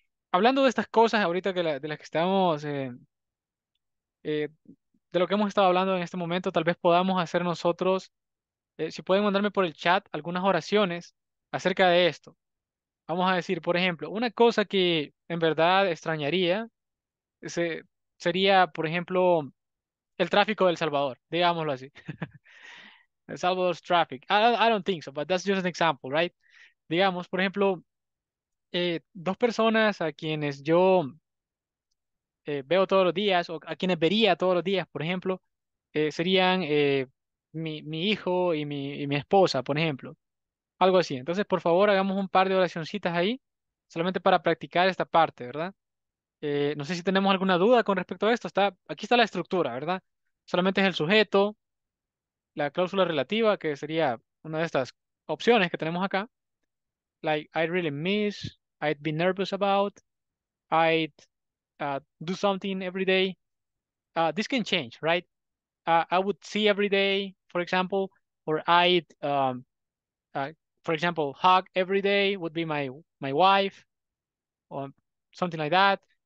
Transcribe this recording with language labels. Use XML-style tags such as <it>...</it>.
<es>Hablando de estas cosas ahorita de lo que hemos estado hablando en este momento, tal vez podamos hacer nosotros, si pueden mandarme por el chat algunas oraciones acerca de esto. Vamos a decir, por ejemplo, una cosa que en verdad extrañaría sería, por ejemplo, el tráfico del Salvador, digámoslo así.</es> <en>El Salvador's traffic. I don't think so, but that's just an example, right?</en> <es>Digamos, por ejemplo, dos personas a quienes yo veo todos los días, o a quienes vería todos los días, por ejemplo, serían mi hijo y mi esposa, por ejemplo. Algo así. Entonces, por favor, hagamos un par de oracioncitas ahí, solamente para practicar esta parte, ¿verdad? No sé si tenemos alguna duda con respecto a esto. Aquí está la estructura, ¿verdad? Solamente es el sujeto, la cláusula relativa, que sería una de estas opciones que tenemos acá.</es> <en>Like, I'd really miss, I'd be nervous about, I'd do something every day. This can change, right? I would see every day, for example, or I'd, for example, hug every day would be my wife, or something like that.</en>